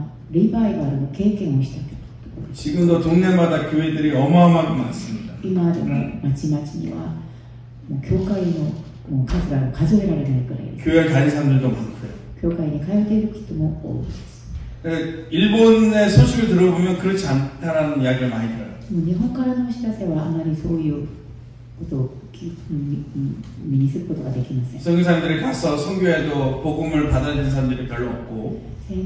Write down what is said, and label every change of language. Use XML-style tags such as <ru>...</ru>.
<ja>韓国の教会は大きなリバイバルの経験をした。</ja> <ko>지금도 동네마다 교회들이 어마어마하게 많습니다.</ko> <ja>今でも町々にはもう教会の数が数えられないくらい。</ja> <ko>교회 다니는 사람들도 많고요.</ko> <ja>教会に通っている人も多いです。</ja> <ko>일본의 소식을 들어보면 그렇지 않다라는 이야기를 많이 들어요.</ko> <ja>日本からの知らせはあまりそういうことを身にすることができません。</ja> <ko>선교사님들이 가서 선교해도 복음을 받아들인 사람들이 별로 없고.</ko>